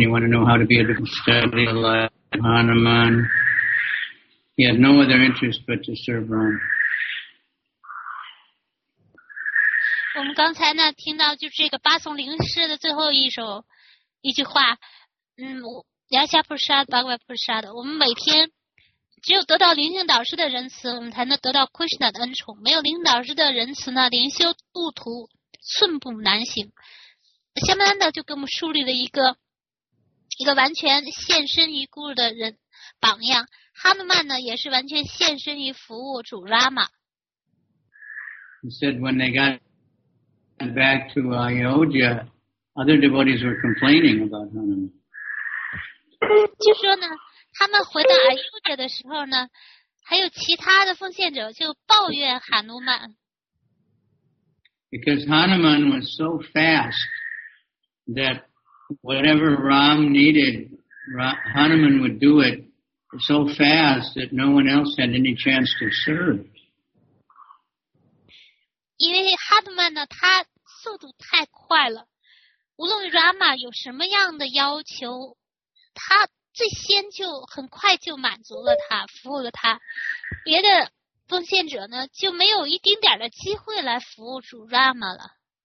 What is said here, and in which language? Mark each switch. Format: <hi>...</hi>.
<en>You want to know how to be able to study the life of Hanuman. He had no other interest but to serve Ram.</en> <zh>我们刚才呢听到就是这个八颂灵诗的最后一首一句话，梁夏普沙巴瓦普沙的，我们每天只有得到灵性导师的仁慈，我们才能得到 Krishna 的恩宠。没有灵性导师的仁慈呢，灵修路途寸步难行。相当的就给我们树立了一个完全献身于 Guru 的人榜样。哈努曼呢，也是完全献身于服务主 Rama。</zh> <en>He said when they got back to Ayodhya, other devotees were complaining about Hanuman.</en> <zh>据说呢，他们回到 Ayodhya 的时候呢，还有其他的奉献者就抱怨哈努曼。</zh> <en>Because Hanuman was so fast that whatever Ram needed, Hanuman would do it so fast that no one else had any chance to serve.</en> <zh>因为哈努曼呢，他速度太快了，无论 Rama 有什么样的要求，他最先就很快就满足了他，服务了他，别的奉献者呢就没有一丁点的机会来服务主 Rama 了。</zh>